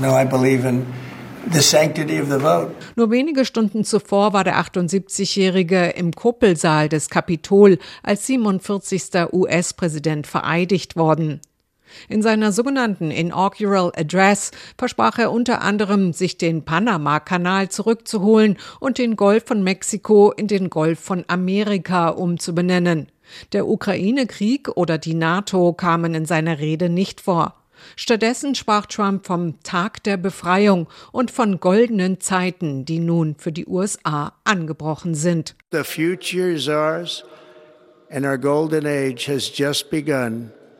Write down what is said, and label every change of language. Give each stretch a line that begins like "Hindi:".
English: No, I believe in the sanctity of the vote.
German: Nur wenige Stunden zuvor war der 78-Jährige im Kuppelsaal des Kapitol als 47. US-Präsident vereidigt worden. In seiner sogenannten Inaugural Address versprach er unter anderem, sich den Panama-Kanal zurückzuholen und den Golf von Mexiko in den Golf von Amerika umzubenennen. Der Ukraine-Krieg oder die NATO kamen in seiner Rede nicht vor. Stattdessen sprach Trump vom Tag der Befreiung und von goldenen Zeiten, die nun für die USA angebrochen sind.
English: The future is ours and our golden age has just begun.